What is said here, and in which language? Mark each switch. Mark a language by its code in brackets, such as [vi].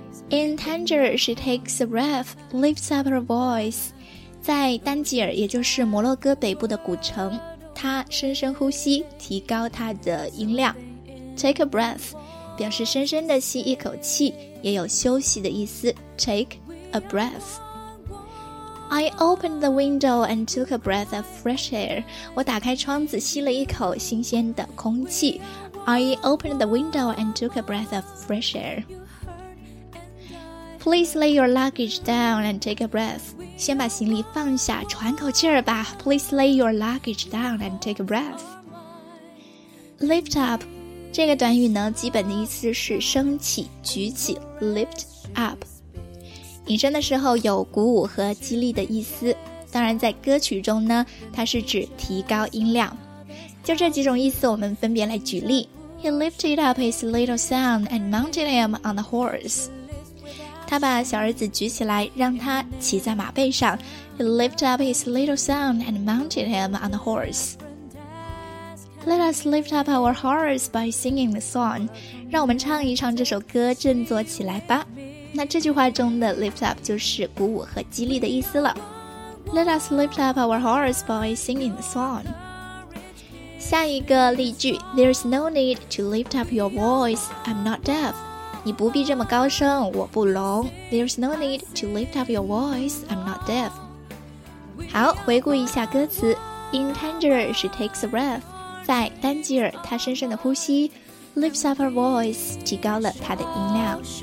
[en] In Tangier, she takes a breath, lifts up her voice. [zh] 在丹吉尔，也就是摩洛哥北部的古城，她深深呼吸，提高她的音量。 [en] Take a breath, [zh] 表示深深的吸一口气，也有休息的意思。 [en] Take a breath. I opened the window and took a breath of fresh air. [zh] 我打开窗子，吸了一口新鲜的空气。 [en] I opened the window and took a breath of fresh air. Please lay your luggage down and take a breath. [zh] 先把行李放下，喘口气儿吧。 [en] Please lay your luggage down and take a breath. Lift up. [zh] 这个短语呢，基本的意思是升起、举起。 [en] Lift up. [zh] 引申的时候有鼓舞和激励的意思。当然在歌曲中呢，它是指提高音量。就这几种意思，我们分别来举例。 [en] He lifted up his little son and mounted him on the horse. [zh] 他把小儿子举起来，让他骑在马背上。 [en] He lifted up his little son and mounted him on the horse. Let us lift up our hearts by singing the song. [zh] 让我们唱一唱这首歌，振作起来吧。那这句话中的 lift up 就是鼓舞和激励的意思了。 [en] Let us lift up our hearts by singing the song. [zh] 下一个例句 [en] There's no need to lift up your voice, I'm not deaf. [zh] 你不必这么高声，我不聋。 [en] There's no need to lift up your voice, I'm not deaf. [zh] 好，回顾一下歌词 [en] In Tangier, she takes a breath. [zh] 在丹吉尔，她深深的呼吸 [en] Lifts up her voice, [zh] 提高了她的音量。